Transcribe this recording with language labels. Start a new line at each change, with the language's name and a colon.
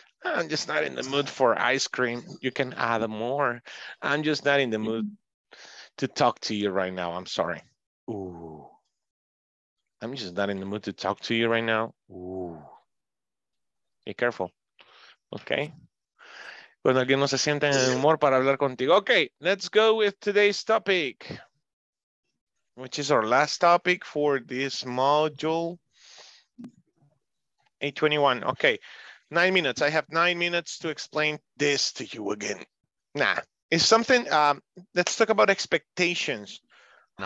English: I'm just not in the mood for ice cream. You can add more. I'm just not in the mood to talk to you right now. I'm sorry. Ooh. I'm just not in the mood to talk to you right now. Ooh. Be careful. Okay.
Spanish: Cuando alguien no se sienta en el humor para hablar contigo.
English: Okay. Let's go with today's topic, which is our last topic for this module. 8:21. Okay. 9 minutes. I have 9 minutes to explain this to you again. Nah. It's something, let's talk about expectations. No.